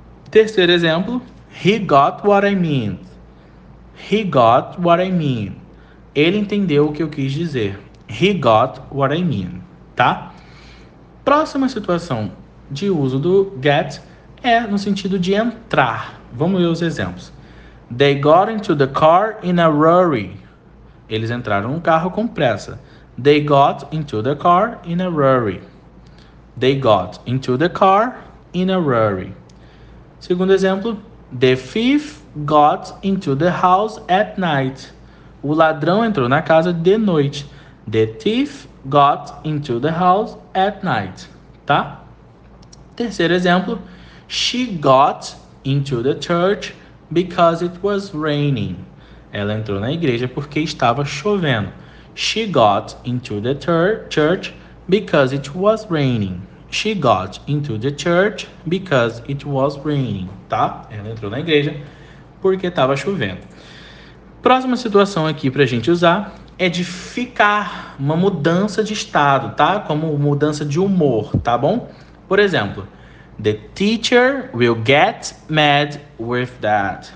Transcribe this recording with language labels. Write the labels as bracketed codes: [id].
[pt] Terceiro exemplo, [en] he got what I mean. He got what I mean. [pt] Ele entendeu o que eu quis dizer. [en] He got what I mean, [pt] tá? Próxima situação de uso do get é no sentido de entrar. Vamos ver os exemplos. [en] They got into the car in a hurry. [pt] Eles entraram no carro com pressa. [en] They got into the car in a hurry. They got into the car in a hurry. [pt] Segundo exemplo, [en] the thief got into the house at night. [pt] O ladrão entrou na casa de noite. [en] The thief got into the house at night. [pt] Tá? Terceiro exemplo, [en] she got into the church because it was raining. [pt] Ela entrou na igreja porque estava chovendo. [en] She got into the church because it was raining. She got into the church because it was raining, tá? [pt] Ela entrou na igreja porque estava chovendo. Próxima situação aqui para a gente usar é de ficar, uma mudança de estado, tá? Como mudança de humor, tá bom? Por exemplo, the teacher will get mad with that.